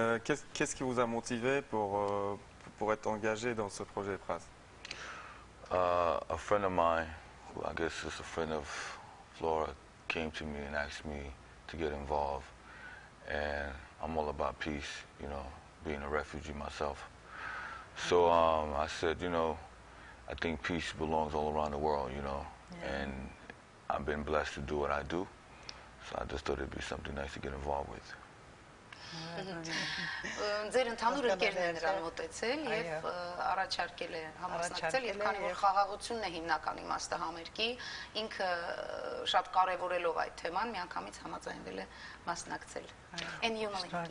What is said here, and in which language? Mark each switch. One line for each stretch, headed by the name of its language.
French: Qu'est-ce qui vous a motivé pour être engagé dans ce projet, Pras?
English: A friend of mine, I guess it's a friend of Flora, came to me and asked me to get involved. And I'm all about peace, you know, being a refugee myself. So I said, you know, I think peace belongs all around the world, you know. Yeah. And I've been blessed to do what I do. So I just thought it'd be something nice to get involved with.
Armenian: Ձեր ընդհանուր ընկերներն նրան մտեցել եւ առաջարկել է համասնակցել, եւ քանի որ խաղաղությունն է հիմնական իմաստը համերգի, ինքը շատ կարեւորելով այդ թեման միանգամից համաձայնվել է մասնակցել։
English: And you Malina,